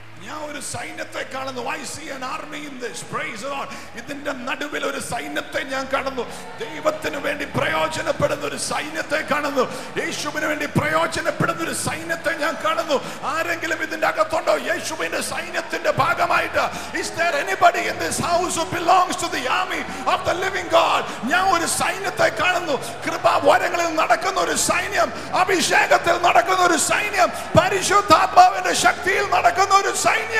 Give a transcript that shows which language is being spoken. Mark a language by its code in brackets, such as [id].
[en] I see an army in this. Praise the Lord. [ml] ഇതിന്റെ നടുവിൽ ഒരു സൈന്യത്തെ ഞാൻ കാണുന്നു. ദൈവത്തിന് വേണ്ടി പ്രയോജനപ്പെടുന്ന ഒരു സൈന്യത്തെ കാണുന്നു. യേശുവിന് വേണ്ടി പ്രയോജനപ്പെടുന്ന ഒരു സൈന്യത്തെ ഞാൻ കാണുന്നു. ആരെങ്കിലും ഇതിന്റെ അകത്തുണ്ടോ? യേശുവിന്റെ സൈന്യത്തിന്റെ ഭാഗമായിട്ട്. [en] Is there anybody in this house who belongs to the army of the living God? [ml] ഞാൻ ഒരു സൈന്യത്തെ കാണുന്നു. കൃപാവരങ്ങളിൽ നടക്കുന്ന ഒരു സൈന്യം, അഭിഷേകത്തിൽ നടക്കുന്ന ഒരു സൈന്യം, പരിശുദ്ധാത്മാവിന്റെ ശക്തിയിൽ നടക്കുന്ന ഒരു സൈന്യം.